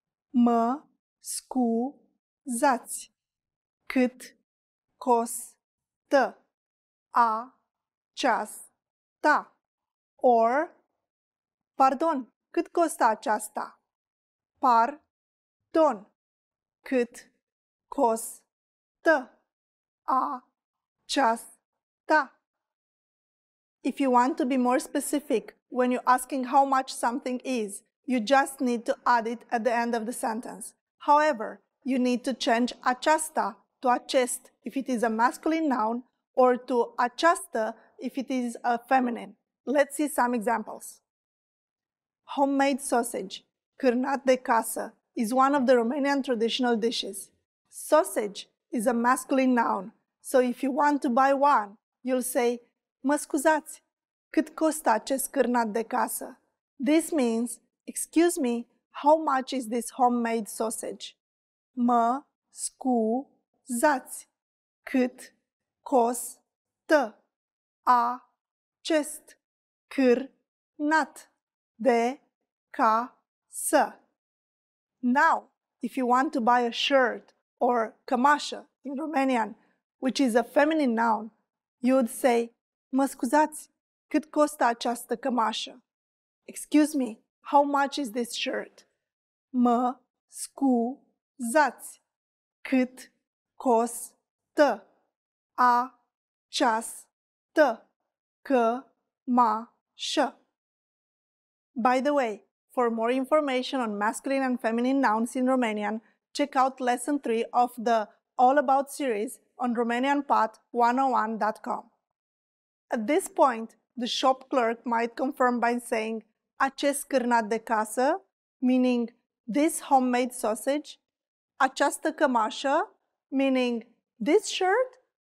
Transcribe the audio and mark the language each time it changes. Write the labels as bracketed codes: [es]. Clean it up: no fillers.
[ro] Mă scuzați. Cât costă aceasta? Or, pardon, cât costă aceasta? Pardon, cât costă aceasta? [en] If you want to be more specific, when you're asking how much something is, you just need to add it at the end of the sentence. However, you need to change aceasta to acest if it is a masculine noun or to aceasta if it is a feminine. Let's see some examples. Homemade sausage, [ro] cârnat de casă, [en] is one of the Romanian traditional dishes. Sausage is a masculine noun, so if you want to buy one, you'll say, [ro] mă scuzați, cât costă acest cârnat de casă? [en] This means, excuse me, how much is this homemade sausage? [ro] Mă scuzați, cât costă acest cârnat de casă? [en] Now, if you want to buy a shirt or cămașă in Romanian, which is a feminine noun, you would say, [ro] mă scuzați, cât costă această cămașă? [en] Excuse me, how much is this shirt? [ro] Mă scuzați, cât costă această cămașă? [en] By the way, for more information on masculine and feminine nouns in Romanian, check out lesson 3 of the All About series on RomanianPod101.com. At this point, the shop clerk might confirm by saying [ro] acest cârnat de casă, [en] meaning this homemade sausage, [ro] această cămașă, [en] meaning this shirt,